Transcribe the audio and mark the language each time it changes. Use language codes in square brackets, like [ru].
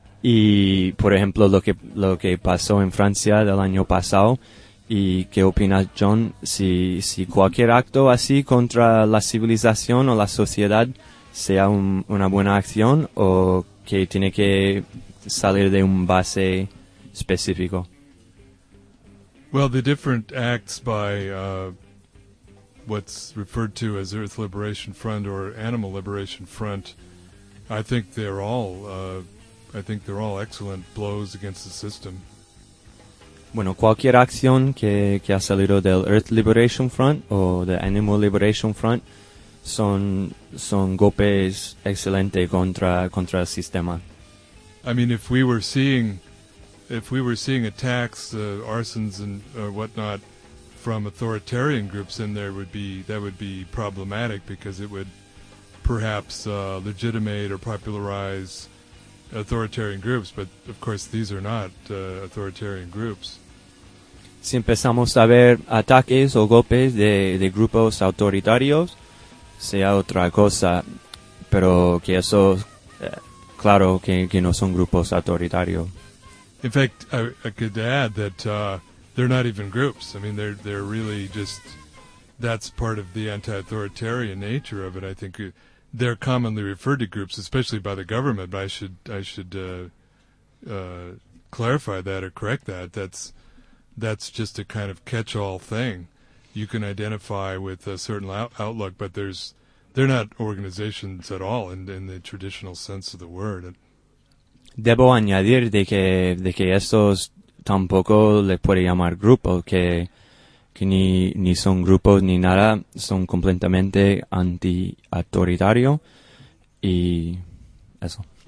[es] Y, por ejemplo, lo que pasó en Francia del año pasado. ¿Y qué opinas, John, si cualquier acto así contra la civilización o la sociedad sea una buena acción, o que tiene que salir de un base específico? [en] Well, the different acts by what's referred to as Earth Liberation Front or Animal Liberation Front, I think they're all excellent blows against the system. [es] Bueno, cualquier acción que ha salido del Earth Liberation Front o del Animal Liberation Front son golpes excelentes contra el sistema. [en] I mean, if we were seeing attacks, arsons and whatnot from authoritarian groups, then that would be problematic, because it would perhaps legitimate or popularize authoritarian groups. But of course, these are not authoritarian groups. [es] Si empezamos a ver ataques o golpes de grupos autoritarios, sea otra cosa, pero que eso, claro, que no son grupos autoritarios. [en] In fact, I could add that they're not even groups. I mean, they're really just, that's part of the anti-authoritarian nature of it. I think they're commonly referred to groups, especially by the government, but I should clarify that or correct that. That's just a kind of catch-all thing. You can identify with a certain outlook, but they're not organizations at all in the traditional sense of the word. [es] Debo añadir de que estos tampoco le puede llamar grupo, que ni son grupos ni nada, son completamente anti-autoritario y eso.